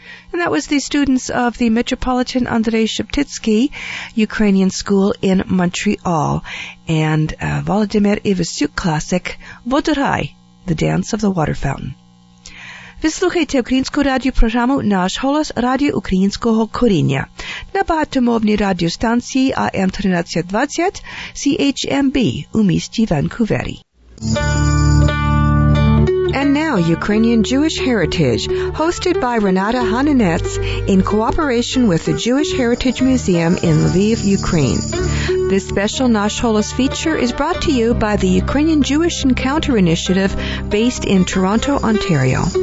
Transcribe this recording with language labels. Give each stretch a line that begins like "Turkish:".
English: The students of the Metropolitan Andrei Sheptytsky Ukrainian School in Montreal, and Volodymyr Ivasyuk classic, Vodorai, the Dance of the Water Fountain.
Ukrainian: Ви слухаєте українську радіопрограму «Наш голос» радіо українського коріння на багатомовній радіостанції АМ-1320 CHMB у місті Ванкувері.
English: And now, Ukrainian Jewish Heritage, hosted by Renata Hananets in cooperation with the Jewish Heritage Museum in Lviv, Ukraine. This special Nash Holos feature is brought to you by the Ukrainian Jewish Encounter Initiative based in Toronto, Ontario.